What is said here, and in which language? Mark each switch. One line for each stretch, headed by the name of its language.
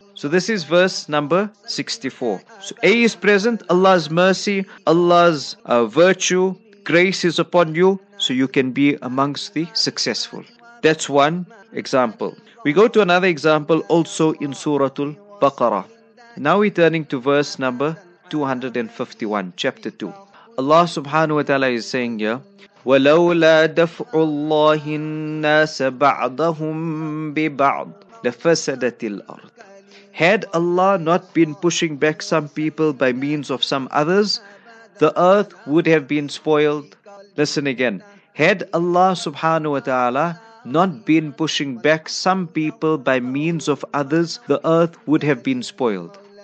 English: So this is verse number 64. So A is present, Allah's mercy, Allah's virtue, grace is upon you, so you can be amongst the successful. That's one example. We go to another example also in Surah Al-Baqarah. Now we're turning to verse number 251, chapter 2. Allah subhanahu wa ta'ala is saying here,
Arabic: وَلَوْلَا دَفْعُ اللَّهِ النَّاسَ بَعْضَهُمْ بِبَعْضِ لَفَسَدَتِ الْأَرْضِ.
English: Had Allah not been pushing back some people by means of some others, the earth would have been spoiled. Listen again. Had Allah subhanahu wa ta'ala not been pushing back some people by means of others, the earth would have been spoiled.